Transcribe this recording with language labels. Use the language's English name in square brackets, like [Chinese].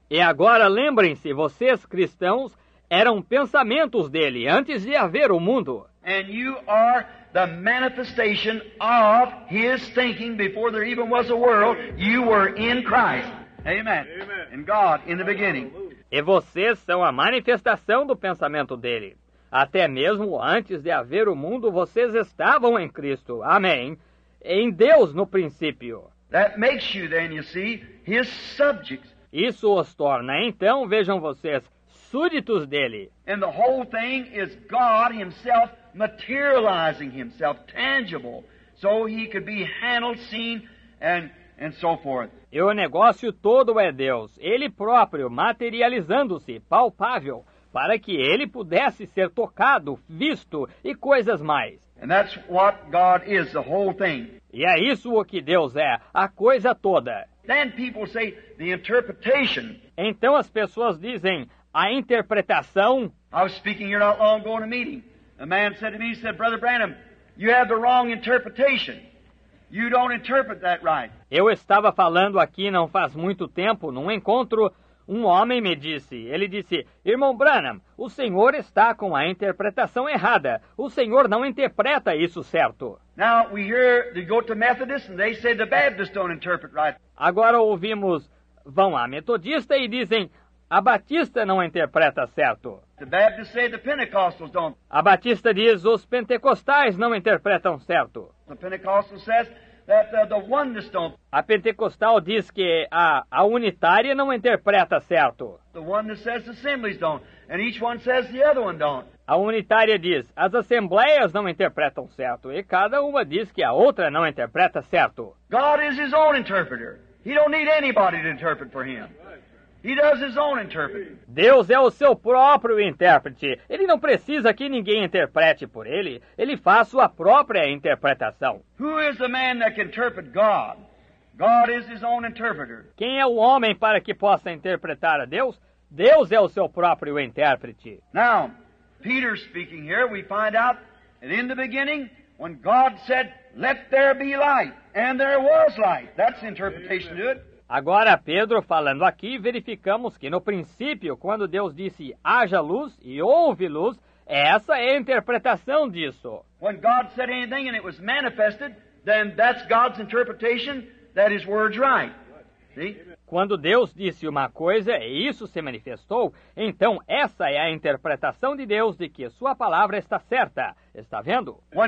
[Portuguese] E agora lembrem-se, vocês cristãos eram pensamentos dele antes de haver o mundo. [English] And you are the manifestation of His thinking before there even was a world. You were in Christ. Amen. In God, in the beginning. [Portuguese] E vocês são a manifestação do pensamento dele. Até mesmo antes de haver o mundo, vocês estavam em Cristo. Amém. Em Deus no princípio. [English] That makes you then, you see, His subjects. [Portuguese] Isso os torna, então, vejam vocês, súditos dele. [English] And the whole thing is God Himself materializing Himself, tangible, so He could be handled, seen, and so forth. [Portuguese] E o negócio todo é Deus, Ele próprio materializando-se, palpável, para que Ele pudesse ser tocado, visto e coisas mais. [English] And that's what God is, the whole thing. [Portuguese] E é isso o que Deus é, a coisa toda. [English] Then people say the interpretation. [Portuguese] Então as pessoas dizem a interpretação. [English] I was speaking here not long ago in a meeting. A man said to me, he said, "Brother Branham, you have the wrong interpretation. You don't interpret that right." [Portuguese] Eu estava falando aqui não faz muito tempo, num encontro, um homem me disse. Ele disse, "Irmão Branham, o senhor está com a interpretação errada. O senhor não interpreta isso certo." [English] Now we hear they go to Methodists and they say the Baptists don't interpret right. [Portuguese] Agora ouvimos, vão a metodista e dizem, a batista não interpreta certo. [English] The Baptists say the Pentecostals don't. [Portuguese] A batista diz, os pentecostais não interpretam certo. [English] The Pentecostal says that the oneness don't. [Portuguese] A pentecostal diz que a unitária não interpreta certo. [English] The one that says assemblies don't, and each one says the other one don't. [Portuguese] A unitária diz, as assembleias não interpretam certo, e cada uma diz que a outra não interpreta certo. [English] God is his own interpreter. He don't need anybody to interpret for him. He does his own interpreting. [Portuguese] Deus é o seu próprio intérprete. Ele não precisa que ninguém interprete por ele. Ele faz sua própria interpretação. [English] Who is the man that can interpret God? God is his own interpreter. [Portuguese] Quem é o homem para que possa interpretar a Deus? Deus é o seu próprio intérprete. [English] Now, Peter speaking here, we find out that in the beginning, when God said, "Let there be light," and there was light. That's interpretation to it. [Portuguese] Agora, Pedro falando aqui, verificamos que no princípio, quando Deus disse, haja luz e houve luz, essa é a interpretação disso. [English] When God said anything and it was manifested, then that's God's interpretation that his word's right. See? [Portuguese] Quando Deus disse uma coisa e isso se manifestou, então essa é a interpretação de Deus de que sua palavra está certa. Está vendo?